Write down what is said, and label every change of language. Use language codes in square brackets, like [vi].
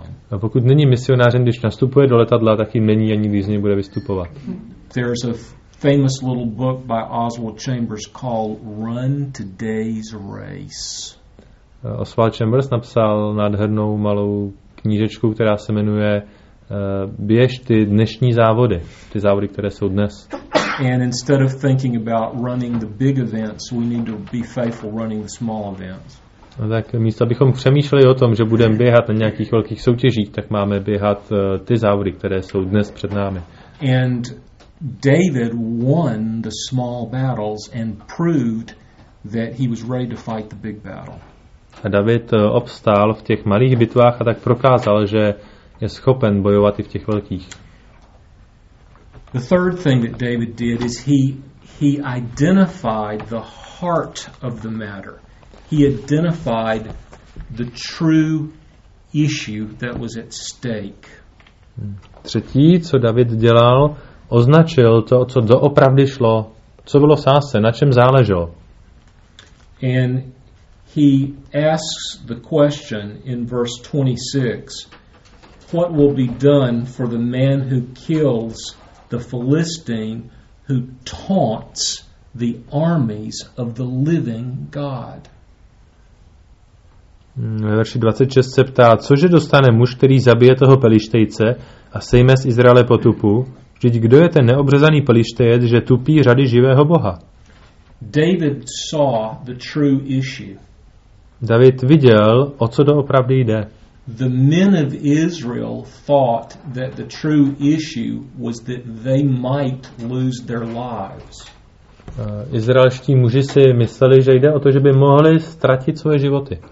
[cs] A pokud není misionářem, když nastupuje do letadla, tak jim není ani, když z něj bude vystupovat. [en] There's a famous little book by Oswald Chambers called Run Today's Race. [cs] Oswald Chambers napsal nádhernou malou knížečku, která se jmenuje Běž ty dnešní závody, ty závody, které jsou dnes. [en] And instead of thinking about running the big events, we need to be faithful running the small events. [cs] No tak místo abychom přemýšleli o tom, že budeme běhat na nějakých velkých soutěžích, tak máme běhat ty závody, které jsou dnes před námi. [en] And David won the small battles and proved that he was ready to fight the big battle. [cs] A David obstál v těch malých bitvách a tak prokázal, že je schopen bojovat i v těch velkých. [en] The third thing that David did is he identified the heart of the matter. He identified the true issue that was at stake. [cs] Třetí, co David dělal, označil to, co doopravdy šlo, co bylo v sásce, na čem záleželo. [en] And he asks the question in verse 26, what will be done for the man who kills the Philistine who taunts the armies of the living God. [cs] Ve verši 26 se ptá, cože dostane muž, který zabije toho Pelištejce a sejme z Izraele potupu? Vždyť kdo je ten neobřezaný Pelištejec, že tupí řady živého Boha? [en] David saw the true issue. [cs] David viděl, o co doopravdy jde. [en] The men of Israel thought that the true issue was that they might lose their lives. [cs] Izraelští muži si mysleli, že jde o to, že by mohli ztratit svoje životy.